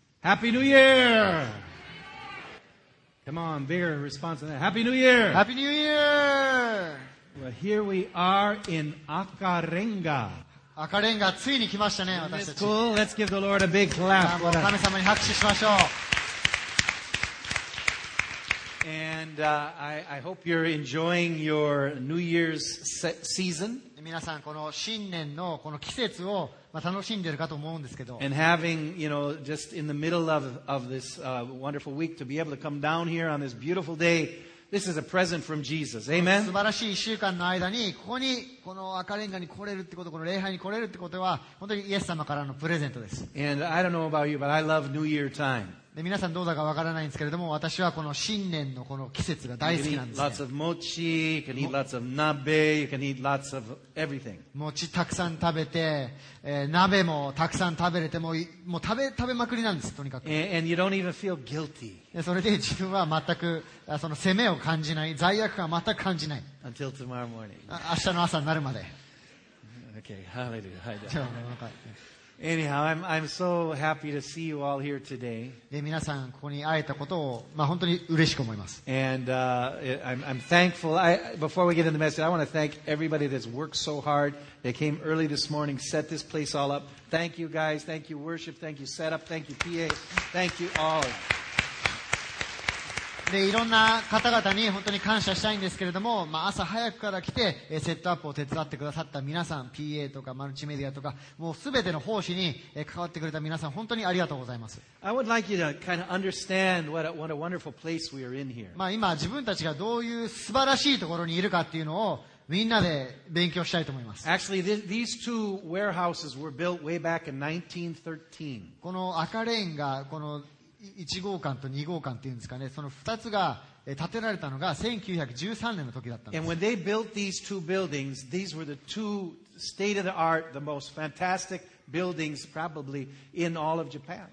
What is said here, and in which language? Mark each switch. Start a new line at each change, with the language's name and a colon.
English: Happy New Year! Come on, bigger response than that. Happy New Year! Happy New Year! Well, here we are in Akarenga.
Japanese: Akarenga, ついに来ましたね、私たち。
English: Cool. Let's give the Lord a big clap.
Japanese: 神様に拍手しましょう。
English: And, I hope you're enjoying your New Year's season.
Japanese: 皆さん、この新年のこの季節を楽しんでるかと思うんですけど。
English: And having, you know, just in the middle of this, wonderful week to be able to come down here on this beautiful day. This is a present from Jesus. Amen.
Japanese: 素晴らしい1週間の間にここにこの赤レンガに来れるってこと、この礼拝に来れるってことは本当にイエス様からのプレゼントです。
English: And I don't know about you, but I love New Year time.
Japanese: で皆さんどうだかわからないんですけれども、私はこの新年のこの季節が大好きなんです、ね。
English: You can eat lots of mochi, you can eat lots of nabe, you can eat lots of everything.
Japanese: 餅たくさん食べて、鍋もたくさん食べれて、もう食べまくりなんです、とにかく。
English: And you don't even feel guilty.
Japanese: それで自分は全くその責めを感じない、罪悪感は全く感じない。
English: Until tomorrow morning.
Japanese: 明日の朝になるまで。
English: Okay, hallelujah. Anyhow, I'm so happy to see you all here today.
Japanese: で皆さんここに会えたことを、まあ、本当に嬉しく思います。
English: And I'm thankful. Before we get into the message, I want to thank everybody that's worked so hard. They came early this morning, set this place all up. Thank you guys. Thank you worship. Thank you setup. Thank you PA. Thank you all.
Japanese: でいろんな方々に本当に感謝したいんですけれども、まあ、朝早くから来てセットアップを手伝ってくださった皆さん PA とかマルチメディアとかもうすべての奉仕に関わってくれた皆さん本当にありがとうございます。
English: I would like you to kind of understand what a wonderful place we are in here.
Japanese: まあ今自分たちがどういう素晴らしいところにいるかっていうのをみんなで勉強したいと思います。
English: Actually, these two warehouses were built way back in 1913.
Japanese: この赤レンガこの1号館と2号館というんですかね、その2つが建てられたのが1913年の時だったんです。